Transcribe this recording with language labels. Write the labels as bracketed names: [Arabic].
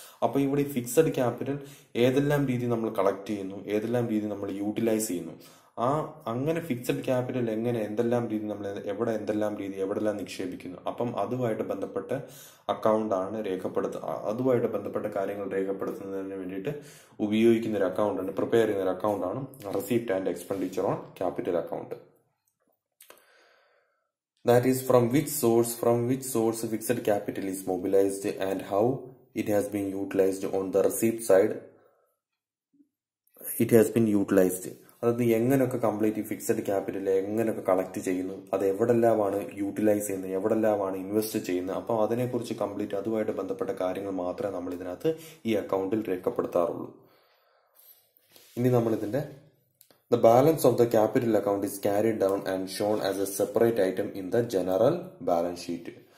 [Malayalam] അപ്പോൾ ഇവിടെ fixed capital ഏതെല്ലാം രീതി നമ്മൾ കളക്ട് ചെയ്യുന്നു, ഏതെല്ലാം രീതി നമ്മൾ യൂട്ടിലൈസ് ചെയ്യുന്നു, ആ അങ്ങനെ ഫിക്സഡ് ക്യാപിറ്റൽ എങ്ങനെ എന്തെല്ലാം രീതി നമ്മൾ എവിടെ എന്തെല്ലാം രീതി എവിടെല്ലാം നിക്ഷേപിക്കുന്നു, അപ്പം അതുമായിട്ട് ബന്ധപ്പെട്ട അക്കൗണ്ടാണ് രേഖപ്പെടുത്തുക, അതുമായിട്ട് ബന്ധപ്പെട്ട കാര്യങ്ങൾ രേഖപ്പെടുത്തുന്നതിന് വേണ്ടിയിട്ട് ഉപയോഗിക്കുന്ന ഒരു അക്കൗണ്ടാണ്, പ്രിപ്പയർ ചെയ്യുന്ന ഒരു അക്കൗണ്ടാണ് receipt and expenditure on capital account. [English] That is from which source fixed capital is mobilized and how it has been utilized on the receipt side. It has been utilized. [Malayalam] അതായത് എങ്ങനെയൊക്കെ കംപ്ലീറ്റ് ഫിക്സഡ് ക്യാപിറ്റൽ എങ്ങനെയൊക്കെ collect ചെയ്യുന്നു, അത് എവിടെല്ലാമാണ് utilise ചെയ്യുന്നത്, എവിടെല്ലാമാണ് invest ചെയ്യുന്നത്, അപ്പോൾ അതിനെക്കുറിച്ച് complete അതുമായിട്ട് ബന്ധപ്പെട്ട കാര്യങ്ങൾ മാത്രമേ നമ്മൾ ഇതിനകത്ത് ഈ അക്കൗണ്ടിൽ രേഖപ്പെടുത്താറുള്ളൂ. ഇനി നമ്മളിതിൻ്റെ [English] The balance of the capital account is carry down and shown as a separate item in the general balance sheet.